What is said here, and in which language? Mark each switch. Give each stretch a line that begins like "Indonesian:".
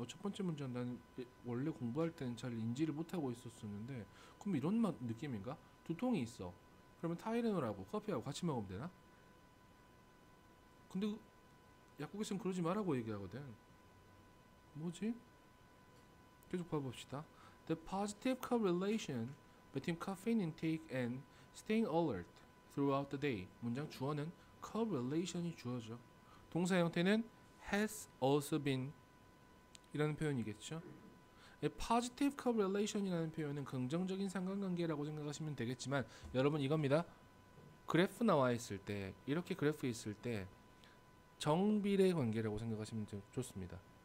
Korean: 첫 번째 문장 나는 원래 공부할 때는 잘 인지를 못하고 있었었는데 그럼 이런 맛 느낌인가? 두통이 있어. 그러면 타이레놀하고 커피하고 같이 먹으면 되나? 근데 약국에서는 그러지 말라고 얘기하거든. 뭐지? 계속 봐봅시다.
English: The positive correlation between caffeine intake and staying alert throughout the day.
Korean: 문장 주어는 correlation이 주어죠. 동사 형태는
English: has also been
Korean: 이라는 표현이겠죠. Positive correlation이라는 표현은 긍정적인 상관관계라고 생각하시면 되겠지만 여러분 이겁니다. 그래프 나와 있을 때 이렇게 그래프 있을 때 정비례 관계라고 생각하시면 좋습니다.